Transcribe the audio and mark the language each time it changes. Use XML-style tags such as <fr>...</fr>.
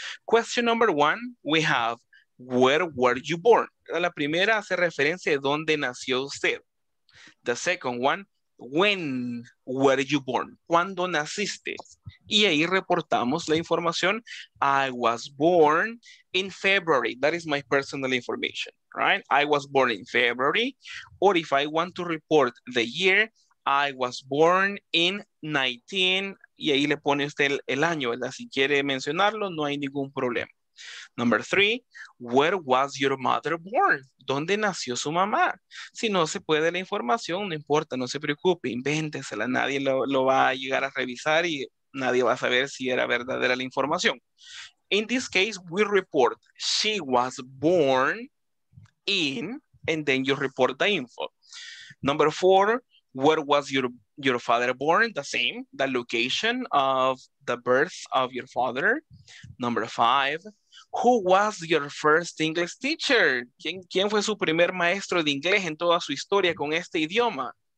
<en>Question number 1, we have, where were you born?</en> <es>La primera hace referencia a dónde nació usted.</es> <en>The second one, when were you born?</en> <es>¿Cuándo naciste? Y ahí reportamos la información.</es> <en>I was born in February. That is my personal information, right? I was born in February. Or if I want to report the year, I was born in 19.</en> <es>Y ahí le pone usted el año, ¿verdad? Si quiere mencionarlo, no hay ningún problema.</es> <en>Number 3, where was your mother born?</en> <es>¿Dónde nació su mamá? Si no se puede la información, no importa, no se preocupe, invéntesela, nadie lo va a llegar a revisar y nadie va a saber si era verdadera la información.</es> <en>In this case, we report, she was born in, and then you report the info. Number 4, where was your father born? The same, the location of the birth of your father. Number 5, who was your first English teacher?</en> <es>¿Quién fue su primer maestro de inglés en toda su historia con este idioma?</es>